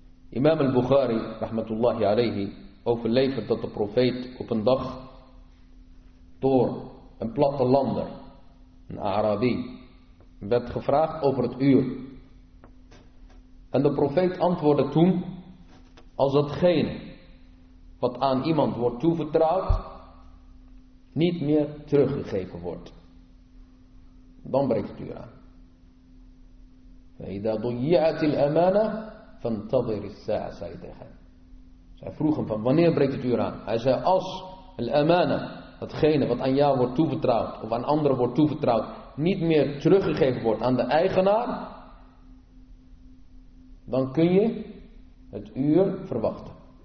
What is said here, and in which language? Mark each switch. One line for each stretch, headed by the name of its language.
Dutch: Imam al-Bukhari rahmatullahi alayhi overlevert dat de profeet op een dag door een plattelander, een Arabi, werd gevraagd over het uur. En de profeet antwoordde toen: als datgene wat aan iemand wordt toevertrouwd, niet meer teruggegeven wordt. Dan breekt het u aan.
Arabic: فَإِذَا ضُيِّعَتِ الْأَمَانَةِ فَانْتَظِرِ السَّاعَةِ
Dutch: zei tegen hem. Zij vroeg hem van wanneer breekt het u aan? Hij zei als al-amana, datgene wat aan jou wordt toevertrouwd of aan anderen wordt toevertrouwd, niet meer teruggegeven wordt aan de eigenaar, dan kun je het uur verwachten.